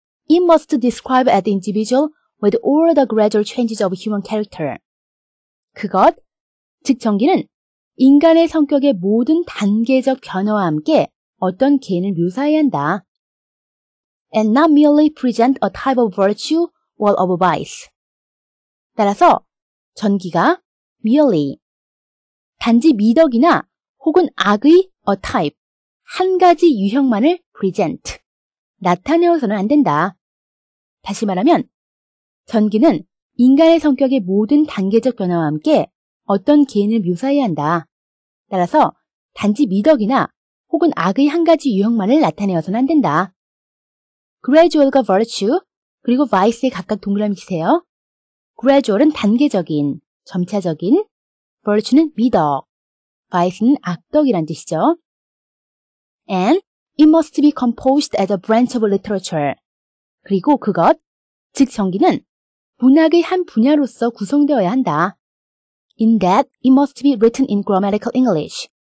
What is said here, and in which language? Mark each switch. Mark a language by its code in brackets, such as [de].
[en] It must describe an individual with all the gradual changes of human character. [ko] 그것, 즉 전기는 인간의 성격의 모든 단계적 변화와 함께 어떤 개인을 묘사해야 한다. [en] And not merely present a type of virtue or of vice. [ko] 따라서 전기가 merely, 단지 미덕이나 혹은 악의 a type, 한 가지 유형만을 present, 나타내어서는 안 된다. 다시 말하면 전기는 인간의 성격의 모든 단계적 변화와 함께 어떤 개인을 묘사해야 한다. 따라서 단지 미덕이나 혹은 악의 한 가지 유형만을 나타내어서는 안 된다. Gradual과 virtue, 그리고 vice에 각각 동그라미 치세요. Gradual은 단계적인, 점차적인, virtue는 미덕, vice는 악덕이란 뜻이죠. [en] And it must be composed as a branch of literature. [ko] 그리고 그것, 즉 전기는 문학의 한 분야로서 구성되어야 한다. [en] In that, it must be written in grammatical English.